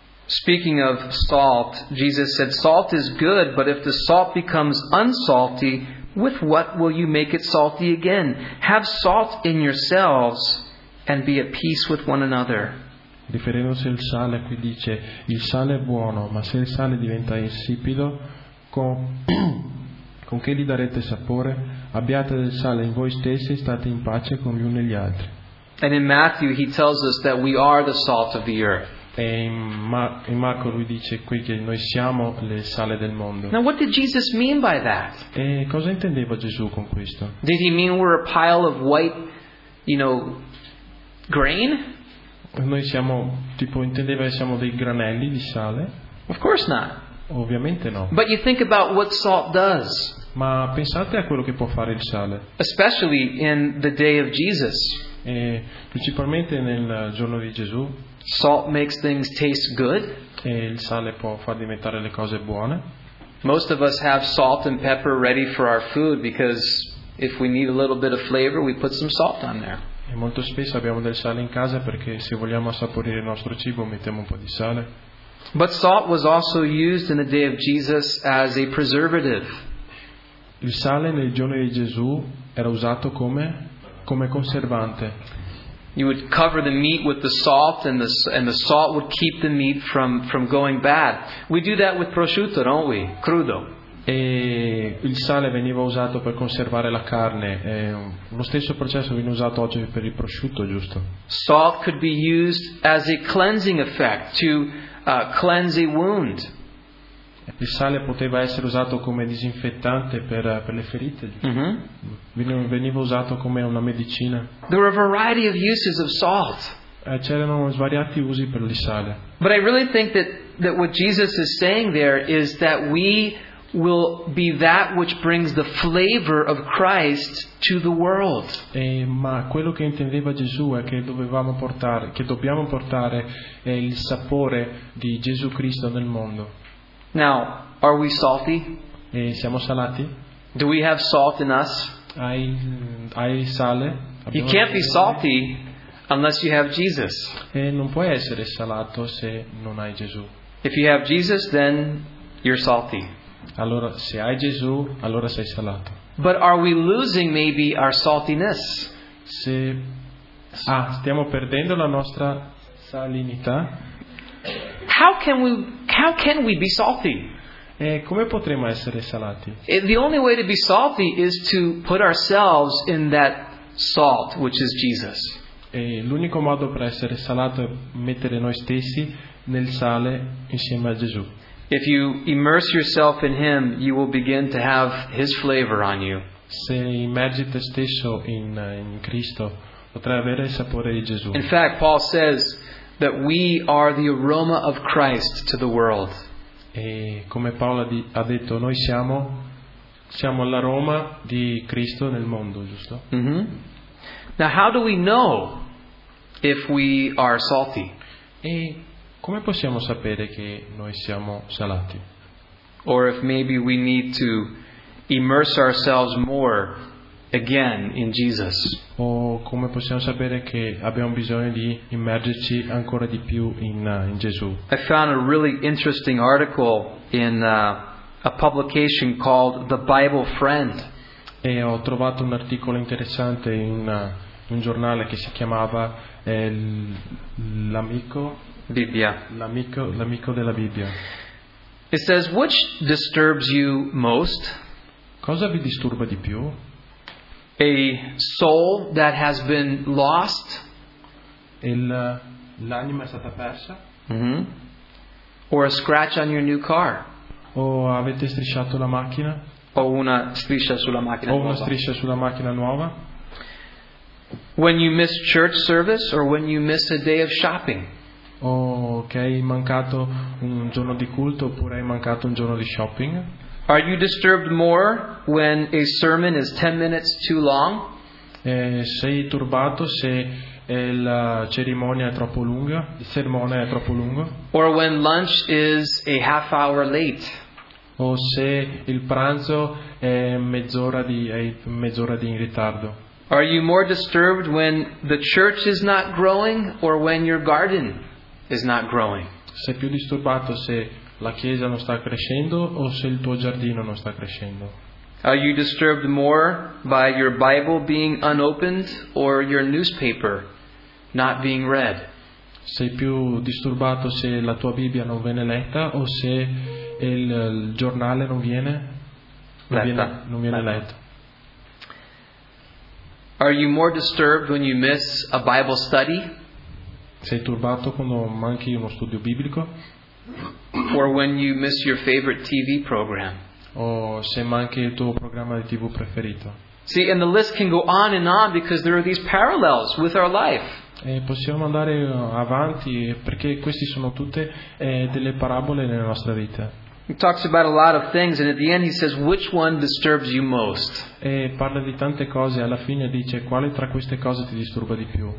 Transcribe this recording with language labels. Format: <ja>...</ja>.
<en>Speaking of salt, Jesus said, "Salt is good, but if the salt becomes unsalty, with what will you make it salty again? Have salt in yourselves and be at peace with one another."</en> <it>Riferendosi al sale, qui dice: il sale è buono, ma se il sale diventa insipido, con che gli darete sapore? Abbiate del sale in voi stessi e state in pace con gli uni e gli altri.</it> <en>And in Matthew he tells us that we are the salt of the earth.</en> <it>E in Marco lui dice qui che noi siamo il sale del mondo.</it> <en>Now what did Jesus mean by that?</en> <it>E cosa intendeva Gesù con questo?</it> <en>Did he mean we're a pile of white, you know, grain?</en> <it>Noi siamo tipo, intendeva che siamo dei granelli di sale?</it> <en>Of course not.</en> <it>Ovviamente no.</it> <en>But you think about what salt does.</en> <it>Ma pensate a quello che può fare il sale.</it> <en>Especially in the day of Jesus.</en> <it>E principalmente nel giorno di Gesù.</it> <en>Salt makes things taste good.</en> <it>E il sale può far diventare le cose buone.</it> <en>Most of us have salt and pepper ready for our food because if we need a little bit of flavor, we put some salt on there.</en> <it>E molto spesso abbiamo del sale in casa perché se vogliamo assaporire il nostro cibo mettiamo un po' di sale.</it> <en>But salt was also used in the day of Jesus as a preservative.</en> <it>Il sale nel giorno di Gesù era usato come conservante.</it> <en>You would cover the meat with the salt and the salt would keep the meat from going bad. We do that with prosciutto, don't we? Crudo.</en> <it>E il sale veniva usato per conservare la carne. Lo stesso processo viene usato oggi per il prosciutto, giusto?</it> <en>Salt could be used as a cleansing effect to cleanse a wound.</en> <it>Il sale poteva essere usato come disinfettante per le ferite. Mm-hmm. Veniva usato come una medicina.</it> <en>There were a variety of uses of salt.</en> <it>C'erano svariati usi per il sale.</it> <en>But I really think that what Jesus is saying there is that we will be that which brings the flavor of Christ to the world.</en> <it>Ma quello che intendeva Gesù è che dobbiamo portare il sapore di Gesù Cristo nel mondo.</it> <en>Now, are we salty?</en> <it>Siamo salati?</it> <en>Do we have salt in us?</en> <it>Hai sale?</it> <en>You can't be salty unless you have Jesus.</en> <it>Non puoi essere salato se non hai Gesù.</it> <en>If you have Jesus, then you're salty.</en> <it>Allora, se hai Gesù, allora sei salato.</it> <en>But are we losing maybe our saltiness?</en> <it>Stiamo perdendo la nostra salinità.</it> <en>How can we be salty?</en> <it>Come potremo essere salati?</it> <en>The only way to be salty is to put ourselves in that salt, which is Jesus.</en> <it>L'unico modo per essere salato è mettere noi stessi nel sale insieme a Gesù.</it> <en>If you immerse yourself in Him, you will begin to have His flavor on you.</en> <it>Se immergi te stesso in Cristo, potrai avere il sapore di Gesù.</it> <en>In fact, Paul says that we are the aroma of Christ to the world.</en> <it>E come Paolo ha detto, noi siamo l'aroma di Cristo nel mondo, giusto? Mm-hmm.</it> <en>Now, how do we know if we are salty?</en> <it>E come possiamo sapere che noi siamo salati?</it> <en>Or if maybe we need to immerse ourselves more again in Jesus?</en> <it>O come possiamo sapere che abbiamo bisogno di immergerci ancora di più in Gesù?</it> <en>I found a really interesting article in a publication called The Bible Friend.</en> <it>E ho trovato un articolo interessante in un giornale che si chiamava l'amico Bibbia. L'amico della Bibbia.</it> <en>It says, which disturbs you most?</en> <it>Cosa vi disturba di più?</it> <en>A soul that has been lost?</en> <it>L'anima è stata persa?</it> <en>Mm-hmm. Or a scratch on your new car?</en> <it>O avete strisciato la macchina? O una striscia sulla macchina nuova? O una striscia sulla macchina nuova?</it> <en>When you miss church service or when you miss a day of shopping?</en> <it>O che hai mancato un giorno di culto oppure hai mancato un giorno di shopping?</it> <en>Are you disturbed more when a sermon is 10 minutes too long?</en> <it>Sei turbato se la cerimonia è troppo lunga, il sermone è troppo lungo?</it> <en>Or when lunch is a half hour late?</en> <it>O se il pranzo è mezz'ora di ritardo?</it> <en>Are you more disturbed when the church is not growing or when your garden is not growing?</en> <it>Sei più disturbato se la chiesa non sta crescendo o se il tuo giardino non sta crescendo?</it> <en>Are you disturbed more by your Bible being unopened or your newspaper not being read?</en> <it>Sei più disturbato se la tua Bibbia non viene letta o se il giornale non viene letto?</it> <en>Are you more disturbed when you miss a Bible study?</en> <it>Sei turbato quando manchi uno studio biblico?</it> <en>Or when you miss your favorite TV program?</en> <it>O se manchi il tuo programma di TV preferito?</it> <en>See, and the list can go on and on because there are these parallels with our life.</en> <it>E possiamo andare avanti perché questi sono tutte delle parabole nella nostra vita.</it> <en>He talks about a lot of things, and at the end he says, "Which one disturbs you most?"</en> <it>E parla di tante cose. Alla fine dice, quale tra queste cose ti disturba di più?</it>